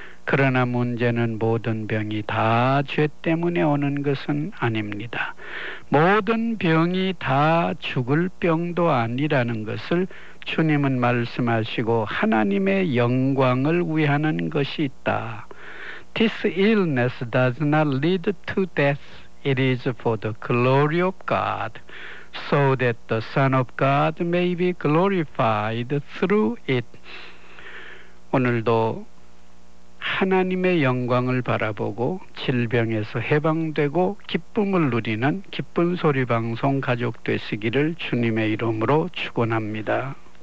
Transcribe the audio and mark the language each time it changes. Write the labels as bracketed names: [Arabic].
[Korean] 그러나 문제는 모든 병이 다 죄 때문에 오는 것은 아닙니다. 모든 병이 다 죽을 병도 아니라는 것을 주님은 말씀하시고 하나님의 영광을 위하는 것이 있다. [English] This illness does not lead to death. It is for the glory of God, so that the Son of God may be glorified through it. [Korean] 오늘도 하나님의 영광을 바라보고 질병에서 해방되고 기쁨을 누리는 기쁜 소리 방송 가족 되시기를 주님의 이름으로 축원합니다.